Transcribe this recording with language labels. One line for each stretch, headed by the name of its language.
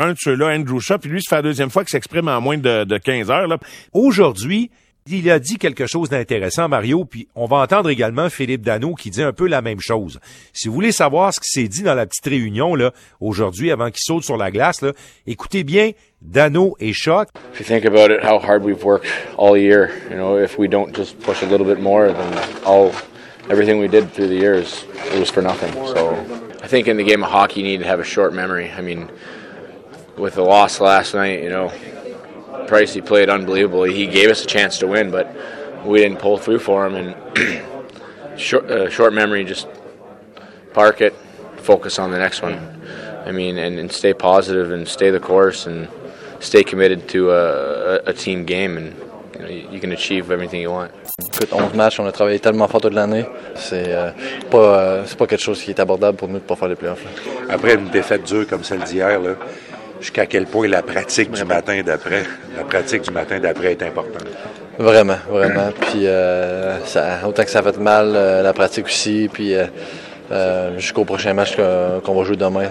French: Un de ceux-là, Andrew Shaw, puis lui, ça fait la deuxième fois qu'il s'exprime en moins de 15 heures. Là. Aujourd'hui, il a dit quelque chose d'intéressant, Mario, puis on va entendre également Philippe Dano qui dit un peu la même chose. Si vous voulez savoir ce qui s'est dit dans la petite réunion là aujourd'hui avant qu'il saute sur la glace, là, écoutez bien Dano et Shaw.
English: If you think about it, how hard we've worked all year, you know, if we don't just push a little bit more, then all everything we did through the years, it was for nothing. So I think in the game of hockey, you need to have a short memory. I mean, with the loss last night, you know, Price, he played unbelievable. He gave us a chance to win, but we didn't pull through for him. And short memory, just park it, focus on the next one. I mean, and stay positive and stay the course and stay committed to a team game, and you know, you can achieve everything you want.
French: Écoute, 11 matchs, on a travaillé tellement fort toute l'année. C'est pas quelque chose qui est abordable pour nous de pas faire les playoffs. Après une défaite dure comme celle d'hier, là. Jusqu'à quel point la pratique du matin d'après est importante. Vraiment, vraiment. Puis ça, autant que ça fait mal, la pratique aussi, puis jusqu'au prochain match qu'on va jouer demain.